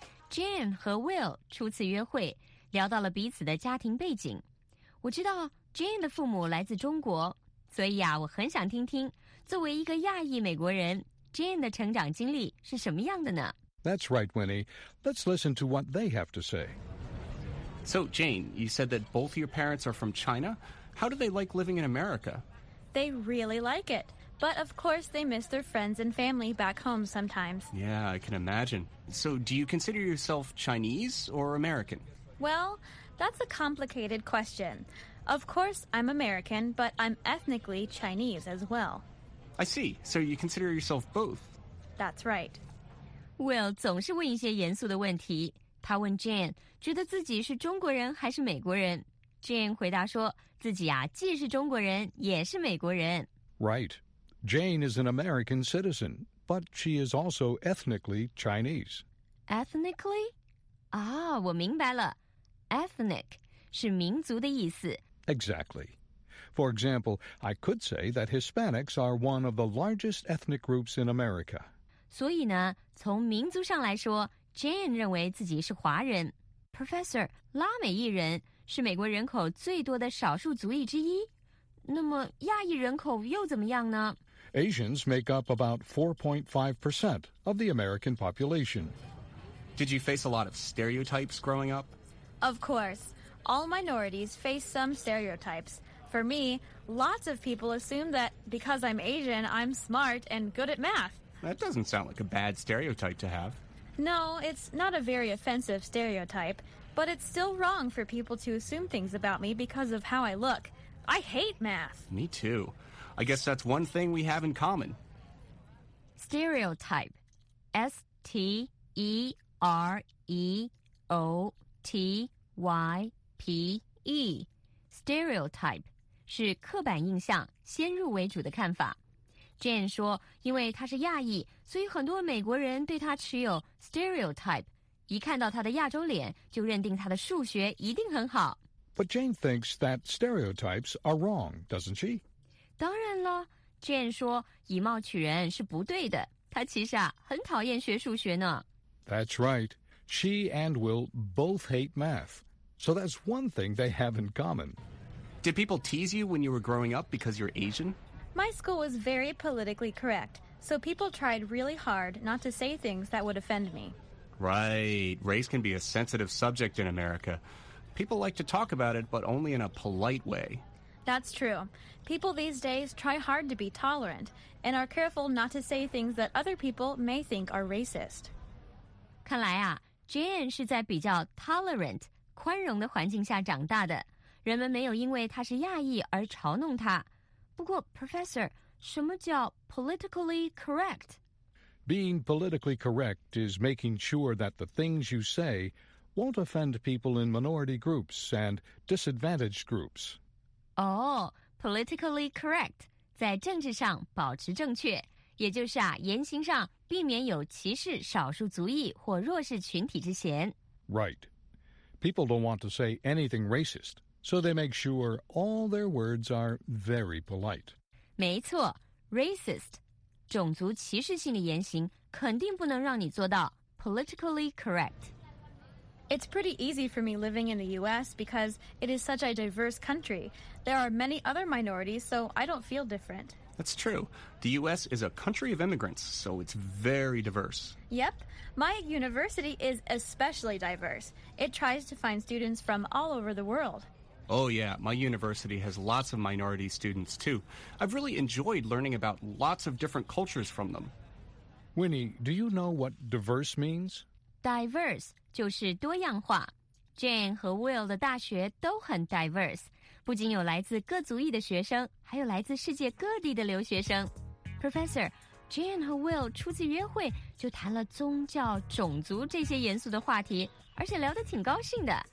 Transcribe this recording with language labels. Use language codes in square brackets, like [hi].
[zh] Jane 和 Will 初次约会，聊到了彼此的家庭背景。我知道 Jane 的父母来自中国，所以啊，我很想听听作为一个亚裔美国人， Jane 的成长经历是什么样的呢？ [en] That's right, Winnie. Let's listen to what they have to say. So, Jane, you said that both your parents are from China. How do they like living in America? They really like it. But, of course, they miss their friends and family back home sometimes. Yeah, I can imagine. So, do you consider yourself Chinese or American? Well, that's a complicated question. Of course, I'm American, but I'm ethnically Chinese as well. I see. So you consider yourself both? That's right. [zh] Will 总是问一些严肃的问题。他问 Jane, 觉得自己是中国人还是美国人? Jane 回答说自己啊,既是中国人也是美国人。 [en] Right. Jane is an American citizen, but she is also ethnically Chinese. [zh] Ethnically? 啊,我明白了。 Ethnic 是民族的意思。 [en] Exactly. For example, I could say that Hispanics are one of the largest ethnic groups in America. [zh] 所以呢，从民族上来说， Jane 认为自己是华人。 Professor, 拉美裔人是美国人口最多的少数族裔之一。那么亚裔人口又怎么样呢？ [en] Asians make up about 4.5% of the American population. Did you face a lot of stereotypes growing up? Of course. All minorities face some stereotypes. For me, lots of people assume that because I'm Asian, I'm smart and good at math. That doesn't sound like a bad stereotype to have. No, it's not a very offensive stereotype, but it's still wrong for people to assume things about me because of how I look. I hate math. Me too. I guess that's one thing we have in common. Stereotype. S-T-E-R-E-O-T-Y. [zh] P-E, stereotype, 是刻板印象、先入为主的看法。 Jane 说，因为他是亚裔，所以很多美国人对他持有 stereotype, 一看到他的亚洲脸，就认定他的数学一定很好。 [en] But Jane thinks that stereotypes are wrong, doesn't she? [zh] 当然了， Jane 说，以貌取人是不对的，他其实啊，很讨厌学数学呢。 [en] That's right, she and Will both hate math. So that's one thing they have in common. Did people tease you when you were growing up because you're Asian? My school was very politically correct, so people tried really hard not to say things that would offend me. Right. Race can be a sensitive subject in America. People like to talk about it, but only in a polite way. That's true. People these days try hard to be tolerant and are careful not to say things that other people may think are racist. [zh] 看来啊, Jane 是在比较 tolerant,宽容的环境下长大的，人们没有因为他是亚裔而嘲弄他。不过 Professor, 什么叫 politically correct? [en] Being politically correct is making sure that the things you say won't offend people in minority groups and disadvantaged groups. [zh] Oh, politically correct, 在政治上保持正确，也就是啊，言行上避免有歧视少数族裔或弱势群体之嫌。 [en] Right. People don't want to say anything racist, so they make sure all their words are very polite. [zh] 没错 ,racist, 种族歧视性的言行肯定不能让你做到 politically correct. [en] It's pretty easy for me living in the U.S. because it is such a diverse country. There are many other minorities, so I don't feel different. That's true. The U.S. is a country of immigrants, so it's very diverse. Yep. My university is especially diverse. It tries to find students from all over the world. Oh, yeah. My university has lots of minority students, too. I've really enjoyed learning about lots of different cultures from them. Winnie, do you know what diverse means? [zh] Diverse 就是多样化。Jane 和 Will 的大学都很 diverse, 不仅有来自各族裔的学生，还有来自世界各地的留学生。 Professor,Jane 和 Will 初次约会就谈了宗教、种族这些严肃的话题，而且聊得挺高兴的。